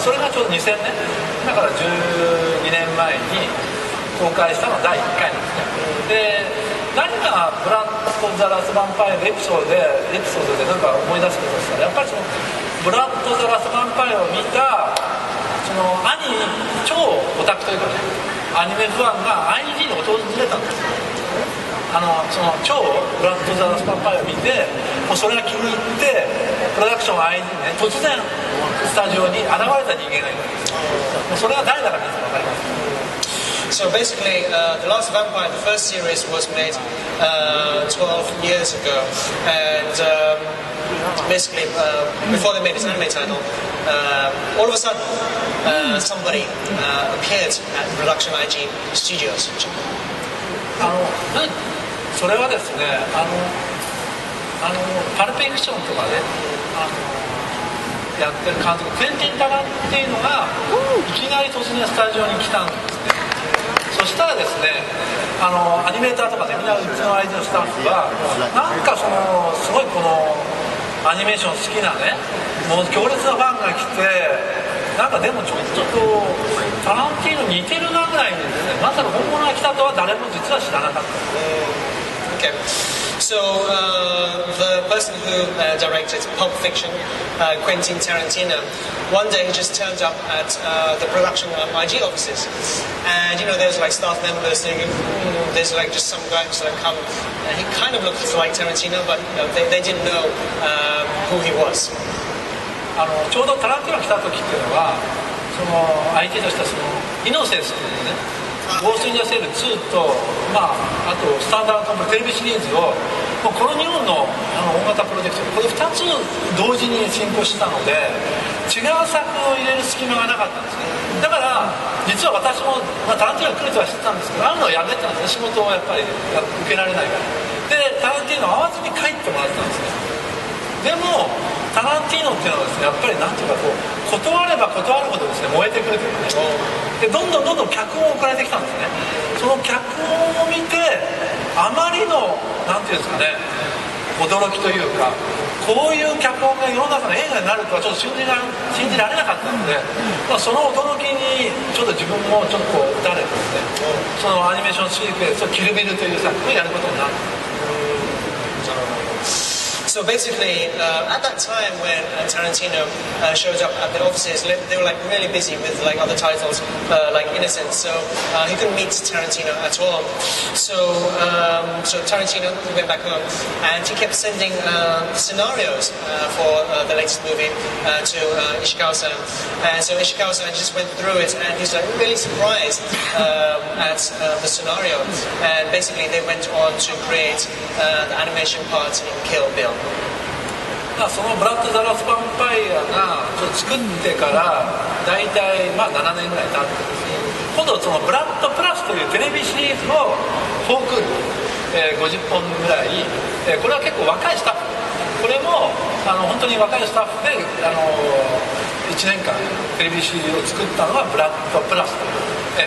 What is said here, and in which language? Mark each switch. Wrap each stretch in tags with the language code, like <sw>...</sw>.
<ja>それがちょうど2000年だから12年前に公開したのが第1回なんですね。で、何がブラッド・ザ・ラストヴァンパイアのエピソードでなんか思い出すことですか。やっぱりそのブラッド・ザ・ラストヴァンパイアを見たその兄、超オタクというかね、アニメファンが IG に訪れたんですよ。その超ブラッド・ザ・ラスパンパイを見て、もうそれが気に入ってプロダクションが IG に、ね、突然スタジオに現れた人間がいるんです。もうそれが誰だか皆さん分かります。</ja> <en>So basically, The Last Vampire, the first series, was made 12 years ago, and basically, before they made this anime title, all of a sudden, somebody appeared at the production IG studios in Japan.</en> <ja>それはですね、パルペクションとかで、やってる監督、クエンティン・タランティーノっていうのが、いきなり突然スタジオに来たんですね。そしたらですね、アニメーターとかでみんなうちの IG のスタッフは、なんかそのすごいこのアニメーション好きなね、もう強烈なファンが来て、なんかでもちょっとこうタランティーノ似てるなぐらいにですね、まさか本物が来たとは誰も実は知らなかったんです。</ja> <en>Okay. So the person who directed Pulp Fiction, Quentin Tarantino, one day he just turned up at the production of IG offices. And you know, there's like staff members saying, there's like just some guy who's like come. He kind of looked like Tarantino, but you know, they didn't know who he was.</en> <ja>ちょうどタランティーノ来た時っていうのは、その IG としたそのイノセンスというね、ゴースト・イン・ザ・シェル2と、まあ、あとスタンダード・カンパニーテレビシリーズを、もうこの2本の大型プロジェクト、これ2つ同時に進行してたので、違う作を入れる隙間がなかったんですね。だから実は私も、まあ、タランティーノが来るとは知ってたんですけど、あるのをやめてたんですね。仕事をやっぱり受けられないから。でタランティーノを会わずに帰ってもらったんですね。でもタランティーノっていうのはですね、やっぱりなんていうかこう断れば断るほどですね、燃えてくるというかね。でどんどんどんどん脚本を送られてきたんですね。その脚本を見て、あまりのなんていうんですかね、驚きというか、こういう脚本が世の中の映画になるとはちょっと信じられなかったので、まあ、その驚きにちょっと自分もちょっとこう打たれてですね、そのアニメーションシリーズでキルビルという作品をやることになった。</ja> <en>So basically, at that time when Tarantino showed up at the offices, they were like really busy with like other titles, like Innocence. So he couldn't meet Tarantino at all. So Tarantino went back home, and he kept sending scenarios for the latest movie to Ishikawa-san. And so Ishikawa-san just went through it, and he's like really surprised at the scenario. And basically, they went on to create the animation part in Kill Bill.</en> <ja>そのブラッド・ザ・ラス・ヴァンパイアが作ってから大体まあ7年ぐらい経ってですね、今度そのブラッド・プラスというテレビシリーズをフォーク、50本ぐらい、これは結構若いスタッフ、これも本当に若いスタッフで1年間テレビシリーズを作ったのがブラッド・プラスという、</ja>